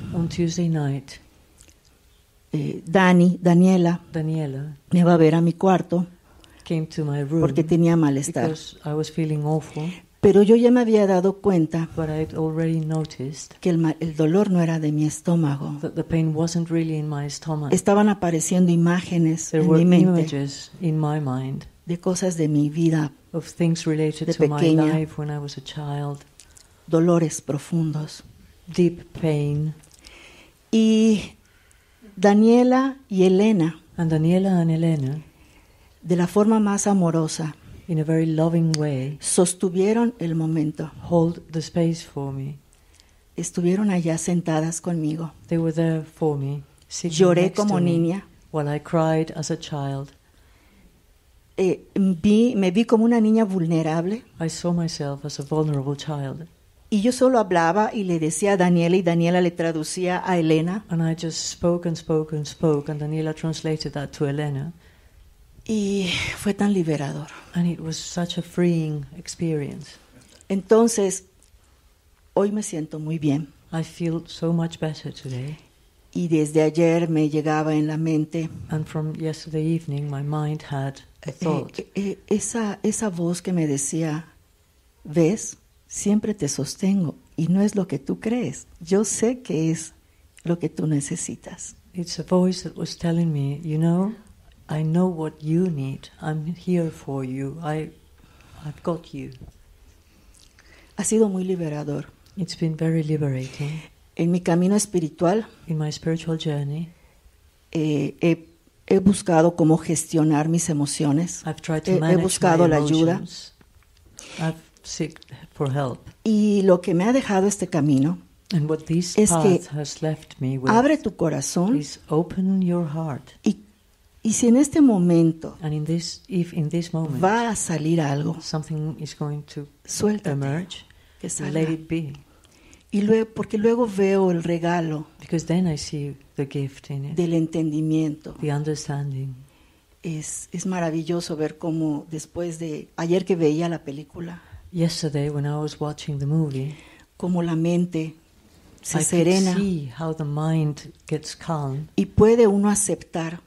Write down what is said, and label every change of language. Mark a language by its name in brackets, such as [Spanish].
[English] on Tuesday night, [Spanish] Daniela, me va a ver a mi cuarto, [English] came to my room [Spanish] porque tenía malestar. [English] Because I was feeling awful. [Spanish] Pero yo ya me había dado cuenta que el dolor no era de mi estómago. [English] That the pain wasn't really in my stomach. [Spanish] Estaban apareciendo imágenes [English] there [Spanish] en [English] were [Spanish] mi mente [English] images in my mind [Spanish] de cosas de mi vida, [English] of things related [Spanish] de pequeña, [English] to my life when I was a child, [Spanish] dolores profundos, [English] deep pain. [Spanish] Y Daniela y Elena, [English] and Daniela and Elena, [Spanish] de la forma más amorosa, [English] in a very loving way, [Spanish] sostuvieron el momento. [English] Hold the space for me. [Spanish] Estuvieron allá sentadas conmigo. [English] They were there for me. [Spanish] Lloré como niña. [English] While I cried as a child. [Spanish] Me vi como una niña vulnerable. [English] I saw myself as a vulnerable child. [Spanish] Y yo solo hablaba y le decía a Daniela y Daniela le traducía a Elena. [English] And I just spoke and spoke and spoke and Daniela translated that to Elena. [Spanish] Y fue tan liberador. [English] And it was such a freeing experience. [Spanish] Entonces, hoy me siento muy bien. [English] I feel so much better today. [Spanish] Y desde ayer me llegaba en la mente. [English] And from yesterday evening, my mind had a thought. [Spanish] Esa voz que me decía, ves, siempre te sostengo. Y no es lo que tú crees. Yo sé que es lo que tú necesitas. [English] It's a voice that was telling me, you know, I know what you need. I'm here for you. I've got you. [Spanish] Ha sido muy liberador. [English] It's been very liberating. [Spanish] En mi camino espiritual, [English] in my spiritual journey, [Spanish] he buscado cómo gestionar mis emociones. [English] I've tried to manage my emotions. [Spanish] He buscado la ayuda. [English] I've sought for help. [Spanish] Y lo que me ha dejado este camino, [English] and what this [Spanish] es [English] path [Spanish] que [English] has left me with, [Spanish] abre tu corazón, [English] please open your heart. [Spanish] Y si en este momento, [English] and in this, if in this moment, [Spanish] va a salir algo, [English] something is going to [Spanish] suéltate, [English] emerge, [Spanish] que salga. [English] Let it be. [Spanish] Y luego, porque luego veo el regalo, [English] because then I see the gift in it, [Spanish] del entendimiento, [English] the understanding. [Spanish] Es maravilloso ver cómo después de ayer que veía la película, [English] yesterday when I was watching the movie, [Spanish] cómo la mente se [English] I [Spanish] serena. [English] Can see how the mind gets calm. [Spanish] Y puede uno aceptar.